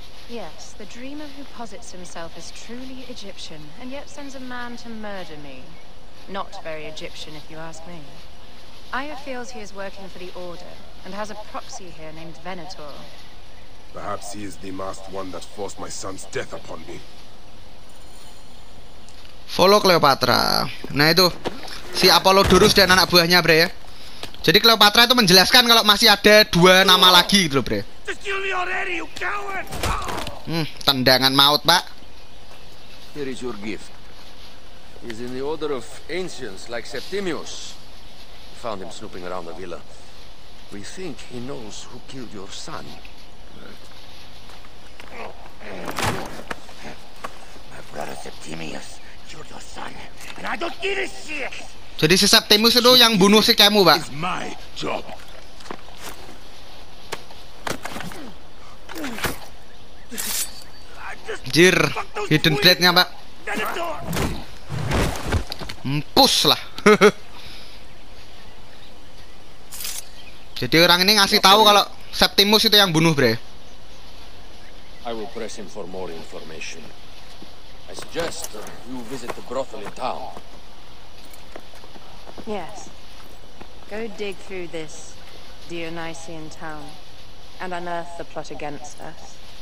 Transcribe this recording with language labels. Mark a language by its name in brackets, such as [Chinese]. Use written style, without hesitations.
[English] Yes, the dreamer who posits himself as truly Egyptian and yet sends a man to murder me. Not very Egyptian, if you ask me. Aya feels he is working for the Order and has a proxy here named Venator. Perhaps he is the masked one that forced my son's death upon me. Follow Cleopatra. [Indonesian] Nah itu si Apollodorus dan anak buahnya, bre. Jadi Cleopatra itu menjelaskan kalau masih ada dua nama lagi gitu loh, bre. Tendangan maut, pak. [English] Here is your gift. He's in the order of ancients like Septimius. We found him snooping around the villa. We think he knows who killed your son. My brother Septimius killed your son, and I don't give a shit. [Indonesian] Jadi si Septimius itu yang bunuh si Kemu, pak. [English] It's my job. [Indonesian] Jir, hidden blade-nya, pak. Empus lah. Jadi orang ini ngasih tahu kalau Septimus itu yang bunuh, bre. [English] I will press him for more information. I suggest you visit the brothel in town. Yes. Go dig through this Dionysian town and unearth the plot against us.